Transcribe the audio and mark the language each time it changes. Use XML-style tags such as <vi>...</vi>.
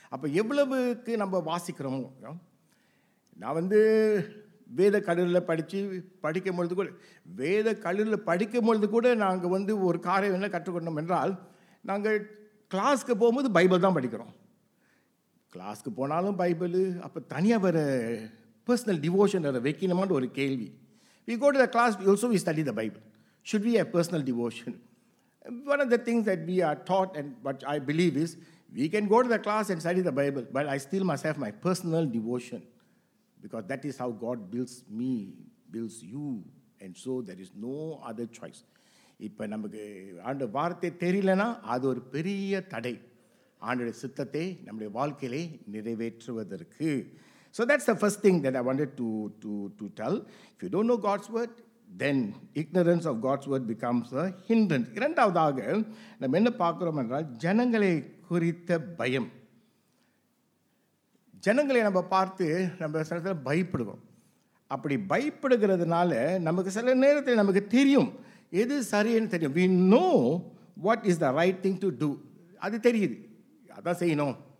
<ta>அப்போ எவ்வளவுக்கு நம்ம வாசிக்கிறோமோ, நான் வந்து வேத கல்லூரியில் படித்து படிக்கும் பொழுது கூட, வேத கல்லூரியில் படிக்கும் பொழுது கூட நாங்கள் வந்து ஒரு காரியம் என்ன கற்றுக்கொண்டோம் என்றால், நாங்கள் கிளாஸ்க்கு போகும்போது பைபிள் தான் படிக்கிறோம். கிளாஸ்க்கு போனாலும் பைபிள், அப்போ தனியாக வேறு பர்சனல் டிவோஷன் வேறு வைக்கணுமான ஒரு கேள்வி.</ta> <en>We go to the class also we study the Bible, should be a personal devotion? One of the things that we are taught and what I believe is, we can go to the class and study the Bible, but I still must have my personal devotion, because that is how God builds me, builds you, and so there is no other choice.</en> <ta>இப்ப நமக்கு ஆண்ட வார்த்தை தெரியலனா அது ஒரு பெரிய தடை ஆண்டவர் சித்தத்தை நம்முடைய வாழ்க்கையிலே நிறைவேற்றுவதற்கு.</ta> <en>So that's the first thing that I wanted to tell. If you don't know God's word, then ignorance of God's word becomes a hindrance.</en> <ta>இரண்டாவதாக நாம் என்ன பார்க்குறோம் என்றால், ஜனங்களை குறித்த பயம். ஜனங்களை நம்ம பார்த்து நம்ம சில நேரத்தில் பயப்படுவோம். அப்படி பயப்படுகிறதுனால நமக்கு சில நேரத்தில் நமக்கு தெரியும் எது சரின்னு தெரியும்.</ta> <en>we know what is the right thing to do,</en> <ta>அது தெரியுது, அதான் செய்யணும்.</ta>